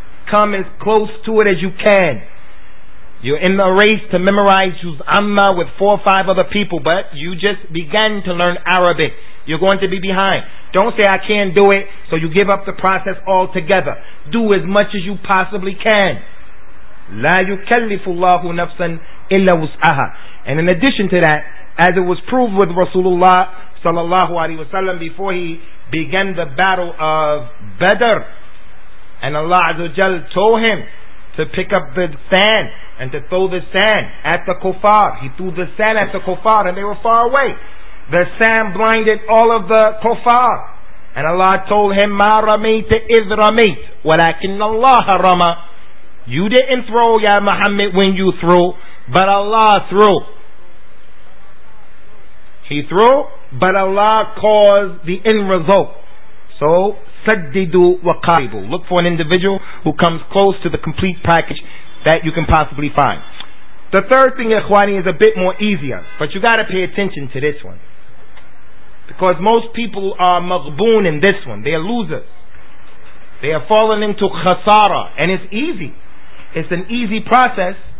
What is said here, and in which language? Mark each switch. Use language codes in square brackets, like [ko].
[en] Come as close to it as you can. You're in the race to memorize Juz Amma with four or five other people, but you just began to learn Arabic. You're going to be behind. Don't say, I can't do it, so you give up the process altogether. Do as much as you possibly can. [ar] لا يكلف الله نفسا إلا وسعها. [en] And in addition to that, as it was proved with Rasulullah sallallahu alaihi wasallam, before he began the battle of Badr, and Allah Azza wa Jal told him to pick up the sand and to throw the sand at the kuffar. He threw the sand at the kuffar and they were far away. The sand blinded all of the kuffar. And Allah told him, [ar] مَا رَمَيْتَ إِذْ رَمَيْتَ وَلَكِنَّ اللَّهَ رَمَى. [en] You didn't throw, Ya Muhammad, when you threw, but Allah threw. He threw, but Allah caused the end result. [ar] So, سَدِّدُوا وَقَارِبُوا. [en] Look for an individual who comes close to the complete package that you can possibly find. The third thing, Ikhwani, is a bit more easier, but you got to pay attention to this one, because most people are maghboon in this one. They are losers. They have fallen into khasara. And it's easy. It's an easy process.